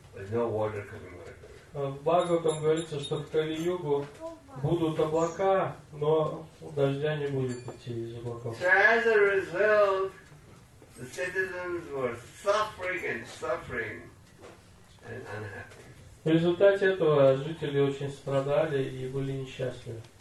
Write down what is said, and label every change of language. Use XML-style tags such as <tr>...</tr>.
<ru>В Бхагаватам говорится, что в Кали-югу будут облака, но дождя не будет идти из облаков.</ru> <en>So as a result, the citizens were suffering and unhappy.</en> <ru>В результате этого жители очень страдали и были несчастны.</ru>